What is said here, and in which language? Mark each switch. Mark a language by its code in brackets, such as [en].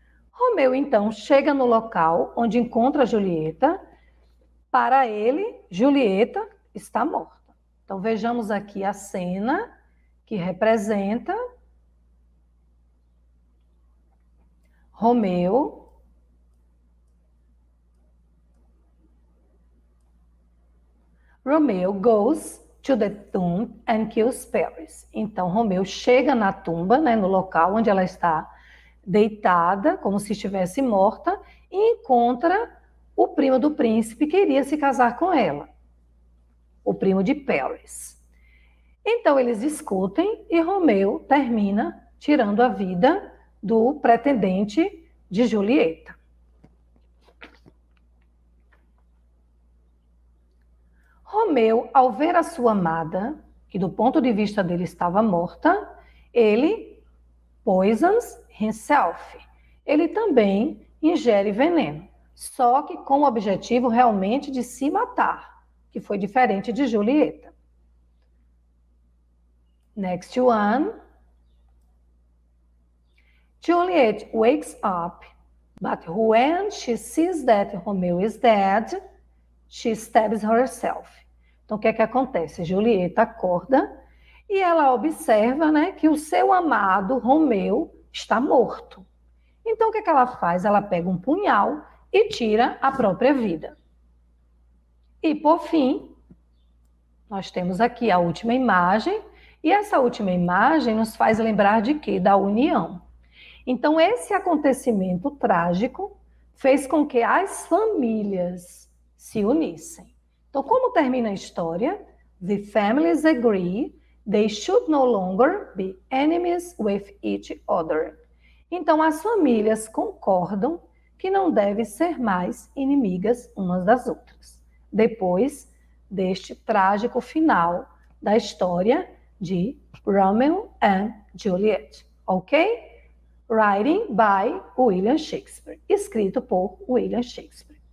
[pt] Romeu, então, chega no local onde encontra Julieta. Para ele, Julieta está morta. Então vejamos aqui a cena que representa Romeu. [en] Romeo goes to the tomb and kills Paris. [pt] Então Romeu chega na tumba, né, no local onde ela está deitada, como se estivesse morta, e encontra o primo do príncipe que iria se casar com ela. O primo de Paris. Então eles discutem e Romeu termina tirando a vida do pretendente de Julieta. Romeu, ao ver a sua amada, que do ponto de vista dele estava morta, ele [en] poisons himself. [pt] Ele também ingere veneno, só que com o objetivo realmente de se matar, que foi diferente de Julieta. [en] Next one. Juliet wakes up, but when she sees that Romeo is dead, she stabs herself. [pt] Então, o que é que acontece? Julieta acorda e ela observa, né, que o seu amado Romeu está morto. Então, o que é que ela faz? Ela pega um punhal e tira a própria vida. E por fim, nós temos aqui a última imagem, e essa última imagem nos faz lembrar de quê? Da união. Então, esse acontecimento trágico fez com que as famílias se unissem. Então, como termina a história? [en] The families agree they should no longer be enemies with each other. [pt] Então, as famílias concordam que não devem ser mais inimigas umas das outras. Depois deste trágico final da história de Romeo and Juliet, ok? [en] Writing by William Shakespeare. [pt] Escrito por William Shakespeare.